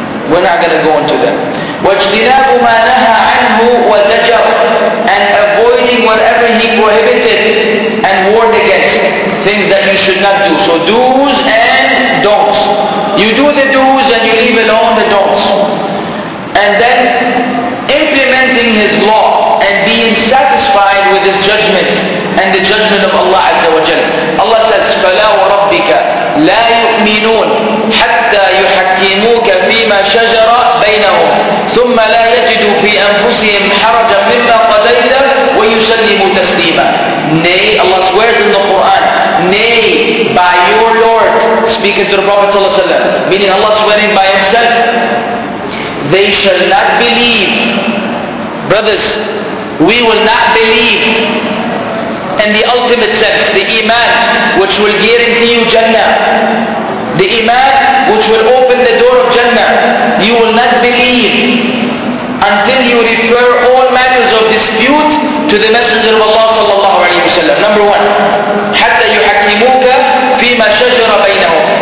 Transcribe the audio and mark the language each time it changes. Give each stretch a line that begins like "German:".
English: We're not going to go into that.
Arabic: واجتناب ما نهى عنه وزجر,
English: and avoiding whatever he prohibited and warned against, things that you should not do. So do's and don'ts. You do the do's and you leave alone the don'ts. And then implementing his law and being satisfied with his judgment and the judgment of Allah Azza wa Jalla.
Arabic: Allah says, فَلَا وَرَبِّكَ لَا يُؤْمِنُونَ حَتَّى يُحَكِّمُوكَ فِيمَا شَجَرَ بَيْنَهُمْ ثُمَّ لَا يَجِدُوا فِي أَنفُسِهِمْ حَرَجًا مِمَّا قَضَيْتَ وَيُسَلِّمُوا تَسْلِيمًا.
English: Nay, Allah swears in the Quran, nay, by your Lord, speaking to the Prophet ﷺ, meaning Allah swearing by himself, they shall not believe. Brothers, we will not believe in the ultimate sense, the iman which will guarantee you Jannah, the iman which will open the door of Jannah. You will not believe until you refer all matters of dispute to the Messenger of Allah sallallahu alayhi wa sallam. Number one,
Arabic: حَتَّى يُحَكِّمُوكَ فِي مَا شَجْرَ بَيْنَهُمْ.